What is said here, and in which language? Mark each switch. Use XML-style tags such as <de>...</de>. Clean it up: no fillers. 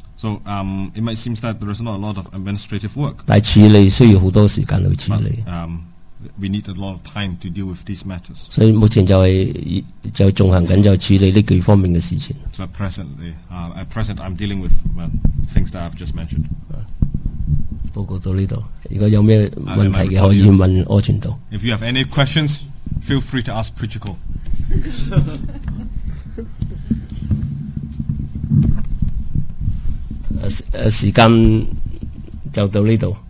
<en>So it might seem that there is not a lot of administrative work.</en> <zh>但處理需要很多時間去處理。</zh> <en>We need a lot of time to deal with these matters.</en> <zh>所以目前就是在進行著處理這幾方面的事情。</zh> <en>So at present I'm dealing with things that I've just mentioned.</en> <zh>報告到這裡,如果有什麼問題可以問柯傳道。</zh> <en>If you have any questions, feel free to ask Preacher Cole.</en> <zh>時間就到這裡。</zh>